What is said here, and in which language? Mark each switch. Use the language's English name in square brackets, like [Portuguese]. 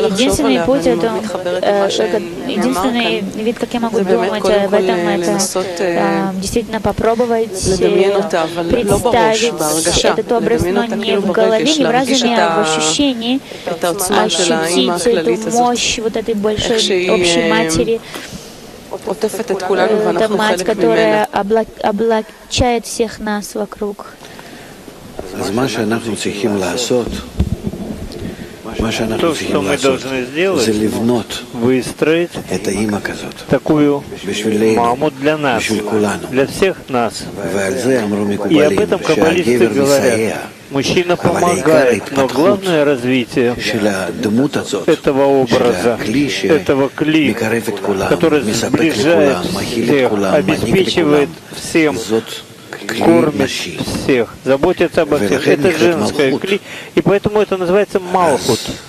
[Hebrew] לחשוב עליה ולא מתחברת למה שנאמר כאן, זה באמת קודם כל לנסות [Russian] действительно попробовать [Hebrew] לדמיין אותה, אבל לא בראש, בהרגשה. לדמיין אותה כאילו בפרק יש להרגיש את העוצמה של האימא הכללית הזאת, [Russian] ощутить эту мощь вот этой большой общей матери, [Hebrew] עוטפת את כולנו ואנחנו חלק ממנה. [Russian] מать, которая облачает всех нас вокруг. [Hebrew] אז מה שאנחנו צריכים לעשות, מה שאנחנו צריכים לעשות, זה לבנות את האימא כזאת, בשביל [Russian] маму для нас, [Hebrew] בשביל כולנו. [Russian] для всех нас. [Hebrew] ועל זה אמרו מקובלים, שהגבר מסייע. [Russian] Мужчина помогает, но главное развитие этого образа, этого кли, который сближает всех, обеспечивает всем, кормит всех, заботится обо всех. Это женская кли, и поэтому это называется малхут.